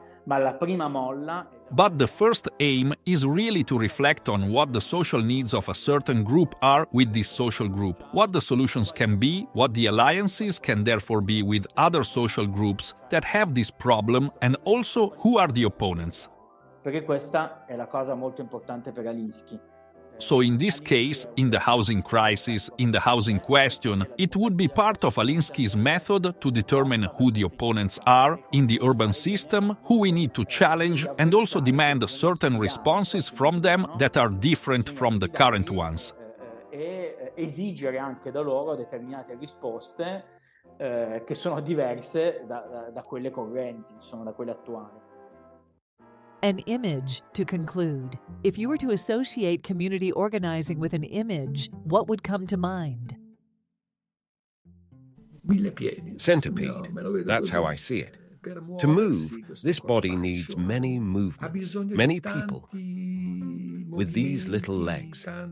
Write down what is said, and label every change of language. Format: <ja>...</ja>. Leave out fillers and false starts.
<en>But the first aim is really to reflect on what the social needs of a certain group are with this social group, what the solutions can be, what the alliances can therefore be with other social groups that have this problem, and also who are the opponents.</en> <it>Perché questa è la cosa molto importante per Alinsky.</it> <en>So in this case, in the housing crisis, in the housing question, it would be part of Alinsky's method to determine who the opponents are in the urban system, who we need to challenge, and also demand certain responses from them that are different from the current ones.</en> <it>E esigere anche da loro determinate risposte che sono diverse da quelle correnti, insomma, da quelle attuali.</it> <en>An image, to conclude. If you were to associate community organizing with an image, what would come to mind? Centipede. That's how I see it. To move, this body needs many movements, many people with these little legs.</en>